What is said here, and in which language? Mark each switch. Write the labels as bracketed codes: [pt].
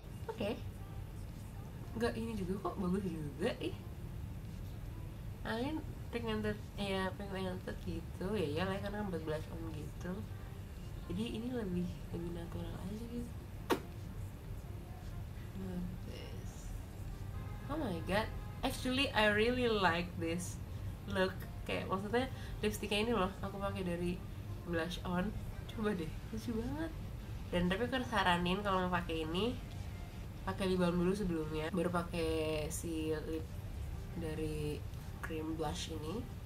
[id] Oke. Enggak, ini juga kok bagus juga ih. Alin pigmented, ya pigmented gitu ya, ya lah karena buat blush on gitu. Jadi ini lebih lebih natural aja gitu. [en] This. Oh my god, actually I really like this look. [id] Kayak maksudnya lipstiknya ini loh, aku pakai dari blush on. Coba deh, lucu banget. Dan tapi aku saranin kalau mau pakai ini, pakai lip balm dulu sebelumnya, baru pakai si lip dari cream blush ini.